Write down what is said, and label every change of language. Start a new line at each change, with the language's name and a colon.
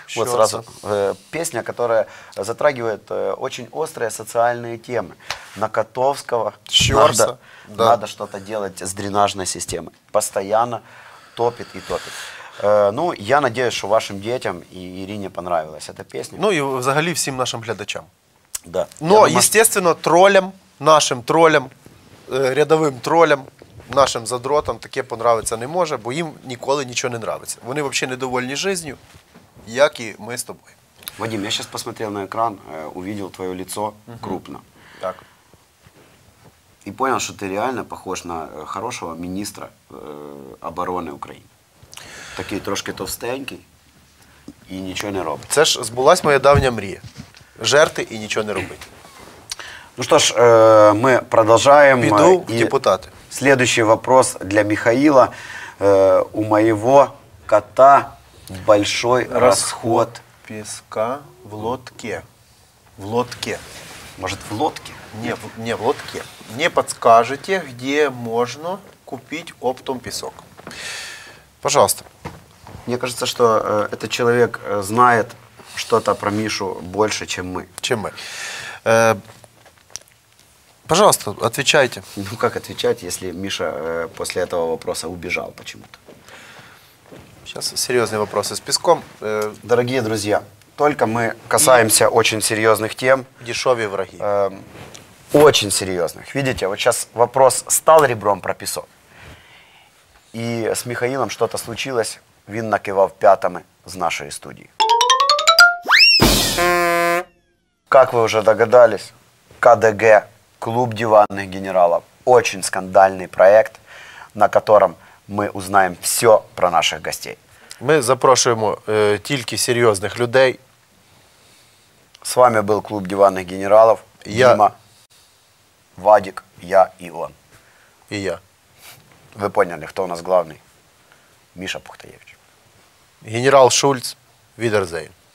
Russian: Вот сразу песня, которая затрагивает очень острые социальные темы. На Котовского надо что-то делать с дренажной системой. Постоянно топит и топит. Ну, я надеюсь, что вашим детям и Ирине понравилась эта песня.
Ukrainian: Ну и взагалі всем нашим глядачам.
Russian: Да. Но, естественно, троллям, нашим троллям, рядовым троллям, нашим задротам
Ukrainian: таке понравиться не може, бо їм ніколи нічого не нравиться. Вони взагалі недовольні життю, як і ми з тобою. Вадим, я зараз посмотрел на екран, увидел твоє лицо крупно. Так. І понял, що ти реально похож на хорошого міністра оборони України. Такий трошки товстенький і нічого не робить. Це ж збулась моя давня мрія. Жерти і нічого не робити.
Russian: Ну что ж, мы продолжаем. Иду и депутаты. Следующий вопрос для Михаила. У моего кота большой расход песка в лодке. В лодке. Может, в лодке? Не в лодке. Не подскажете, где можно купить оптом песок? Пожалуйста. Мне кажется, что этот человек знает что-то про Мишу больше, чем мы. Чем мы. Пожалуйста, отвечайте. Ну как отвечать, если Миша после этого вопроса убежал почему-то? Сейчас серьезные вопросы с песком. Дорогие друзья, только мы касаемся очень серьезных тем. Дешевые враги. Очень серьезных. Видите, вот сейчас вопрос стал ребром про песок. И с Михаилом что-то случилось.
Ukrainian: Він накивав пятами
Russian: с нашей студии. Как вы уже догадались, КДГ. Клуб диванных генералов. Очень скандальный проект, на котором мы узнаем все про наших гостей. Мы запрошуем только серьезных людей. С вами был Клуб диванных генералов. Я. Дима, Вадик, я и он. И я. Вы поняли, кто у нас главный? Миша Пухтаєвич. Генерал Шульц, Відерзейн.